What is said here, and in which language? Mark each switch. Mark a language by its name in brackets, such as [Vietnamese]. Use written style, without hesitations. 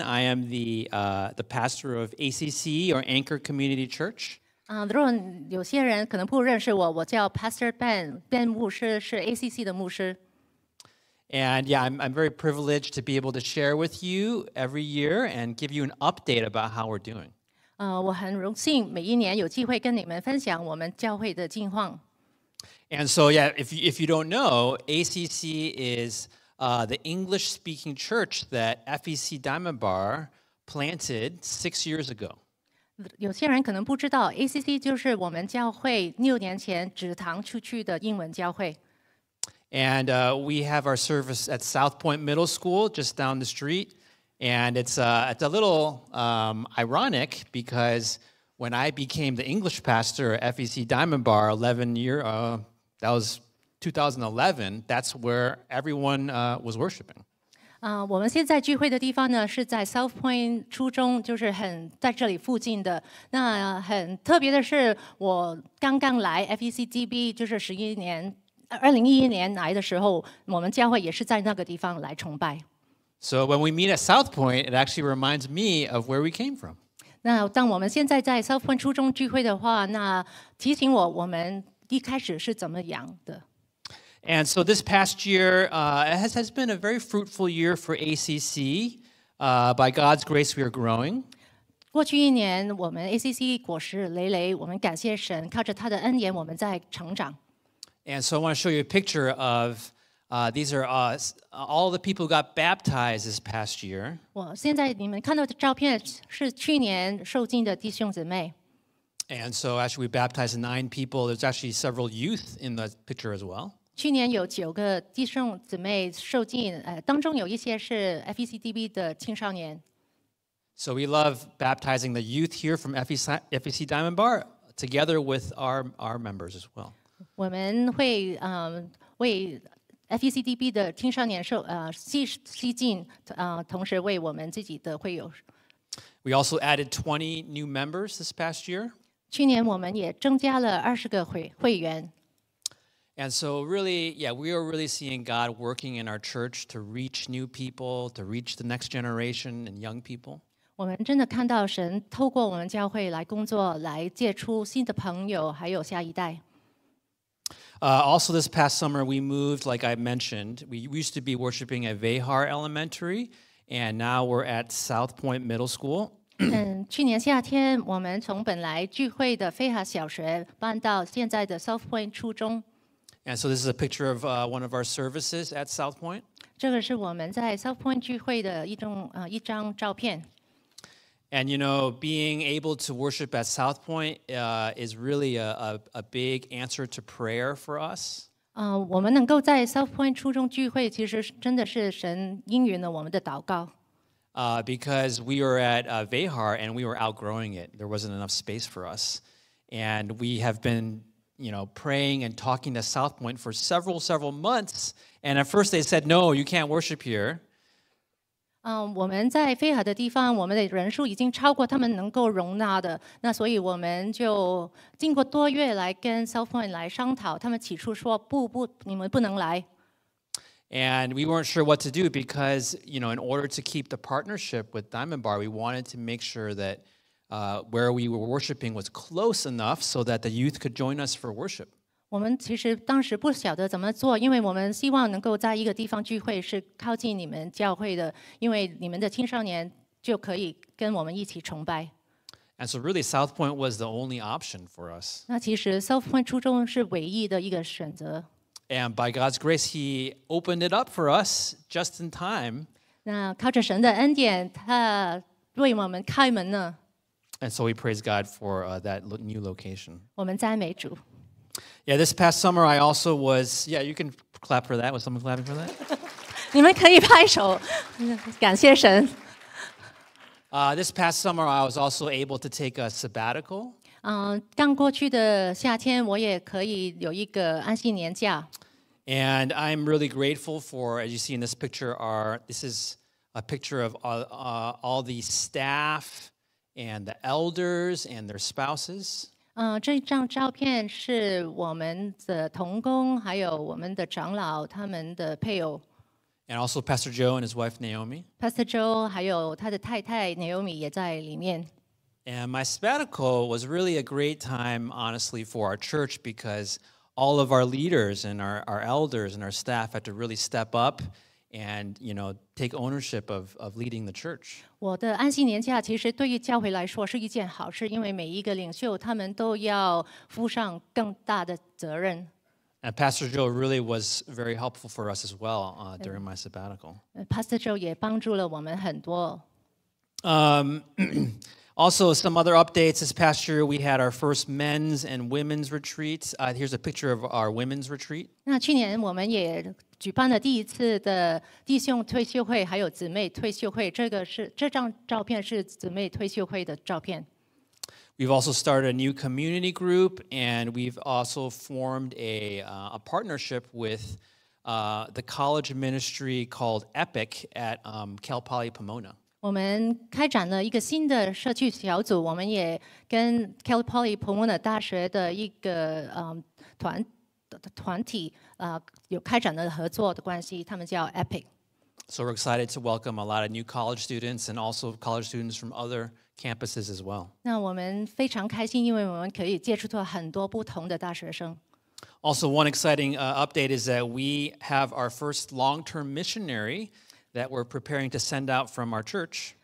[English] I am the pastor of ACC or Anchor Community Church. [Chinese] 如果有些人可能不认识我，我叫 Pastor Ben. Ben 牧师是 ACC 的牧师。 [English] And yeah, I'm very privileged to be able to share with you every year and give you an update about how we're doing. [Chinese] 我很荣幸每一年有机会跟你们分享我们教会的近况。 [English] And so, yeah, if you don't know, ACC is the English-speaking church that FEC Diamond Bar planted 6 years ago. [Chinese] 有些人可能不知道 ,ACC 就是我们教会六年前指堂出去的英文教会。 [English] And we have our service at South Point Middle School, just down the street. And it's a little ironic because when I became the English pastor at FEC Diamond Bar 11 years. That was 2011. That's where everyone was worshiping. [Chinese] 我们现在聚会的地方呢，是在 South Point 初中，就是很在这里附近的。那很特别的是，我刚刚来 FECDB， 就是2011年来的时候，我们教会也是在那个地方来崇拜。 [English] So when we meet at South Point, it actually reminds me of where we came from. [Chinese] 那当我们现在在 South Point 初中聚会的话，那提醒我们。一开始是怎么样的？ [English] And so this past year has been a very fruitful year for ACC. By God's grace, we are growing. [Chinese] 过去一年，我们 ACC 果实累累，我们感谢神，靠着他的恩典，我们在成长。 [English] And so I want to show you a picture of these are all the people who got baptized this past year. [Chinese] 我现在你们看到的照片是去年受浸的弟兄姊妹。 [English] And so actually we baptized 9 people. There's actually several youth in the picture as well. [Chinese] 去年有九个弟兄姊妹受浸，当中有一些是 FECDB 的青少年。 [English] So we love baptizing the youth here from FEC Diamond Bar together with our members as well. [Chinese] 我们会为 FECDB 的青少年吸浸，同时为我们自己的会友。 [English] We also added 20 new members this past year. [Chinese] 去年我们也增加了20个会员。 [English] And so really, yeah, we are really seeing God working in our church to reach new people, to reach the next generation and young people. [Chinese] 我们真的看到神透过我们教会来工作，来接触新的朋友，还有下一代。 [English] Also this past summer, we moved, like I mentioned, we used to be worshiping at Vejar Elementary, and now we're at South Point Middle School. [Chinese] 去年夏天，我们从本来聚会的菲哈小学搬到现在的 South Point 初中。 [English] And so this is a picture of one of our services at South Point. [Chinese] 这个是我们在 South Point 聚会的一张照片。 [English] And you know, being able to worship at South Point is really a big answer to prayer for us. [Chinese] 我们能够在 South Point 初中聚会，其实真的是神应允了我们的祷告。 [English] Because we were at Vejar and we were outgrowing it. There wasn't enough space for us. And we have been, you know, praying and talking to South Point for several months. And at first they said, no, you can't worship here. [Chinese] 我们在菲海的地方，我们的人数已经超过他们能够容纳的。那所以我们就经过多月来跟 South Point 来商讨，他们起初说不不，你们不能来。 [English] And we weren't sure what to do because, you know, in order to keep the partnership with Diamond Bar, we wanted to make sure that where we were worshiping was close enough so that the youth could join us for worship. [Chinese] 我们其实当时不晓得怎么做，因为我们希望能够在一个地方聚会是靠近你们教会的，因为你们的青少年就可以跟我们一起崇拜。 [English] And so really, South Point was the only option for us. [Chinese] 那其实 South Point 初中是唯一的一个选择。 [English] And by God's grace, He opened it up for us just in time. [Chinese] 那靠着神的恩典，他为我们开门呢。 [English] And so we praise God for that new location. [Chinese] 我们赞美主。 [English] Yeah, this past summer I also was. Yeah, you can clap for that. Was someone clapping for that? [Chinese] 你们可以拍手，感谢神。 [English] This past summer I was also able to take a sabbatical. [Chinese] 刚过去的夏天我也可以有一个安息年假。 [English] And I'm really grateful for, as you see in this picture, this is a picture of all the staff and the elders and their spouses. [Chinese] 这张照片是我们的同工，还有我们的长老，他们的配偶。 [English] And also Pastor Joe and his wife Naomi. [Chinese] Pastor Joe 还有他的太太 Naomi 也在里面。 [English] And my sabbatical was really a great time, honestly, for our church because all of our leaders and our elders and our staff had to really step up. And you know, take ownership of leading the church. [Chinese] 我的安息年假其实对于教会来说是一件好事，因为每一个领袖他们都要负上更大的责任。 [English] And Pastor Joe really was very helpful for us as well during my sabbatical. [Chinese] Pastor Joe 也帮助了我们很多。 [English] Also, some other updates. This past year, we had our first men's and women's retreat. Here's a picture of our women's retreat. [Chinese] 那去年我们也举办了第一次的弟兄退休会，还有姊妹退休会。这张照片是姊妹退休会的照片。 [English] We've also started a new community group, and we've also formed a partnership with the college ministry called EPIC at Cal Poly Pomona. [Chinese] 我们开展了一个新的社区小组，我们也跟 Cal Poly Pomona 大学的一个团体有开展了合作的关系，他们叫 EPIC. [English] So we're excited to welcome a lot of new college students and also college students from other campuses as well. [Chinese] 那我们非常开心，因为我们可以接触到很多不同的大学生。 [English] Also, one exciting update is that we have our first long-term missionary. That we're preparing to send out from our church.